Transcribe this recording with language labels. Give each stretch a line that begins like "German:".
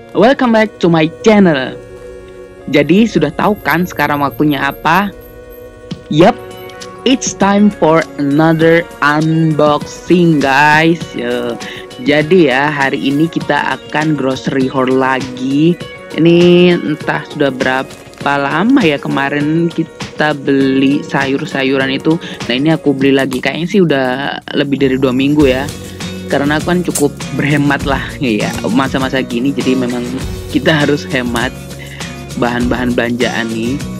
English: Welcome back to my channel.
Indonesian: Jadi sudah tahu kan sekarang waktunya apa?
English: Yep, it's time for another unboxing guys.
Indonesian: Jadi ya hari ini kita akan grocery haul lagi. Ini entah sudah berapa lama ya kemarin kita beli sayur-sayuran itu. Nah ini aku beli lagi, kayaknya sih udah lebih dari 2 minggu ya. Karena aku kan cukup berhemat lah ya, masa-masa gini jadi memang kita harus hemat bahan-bahan belanjaan nih.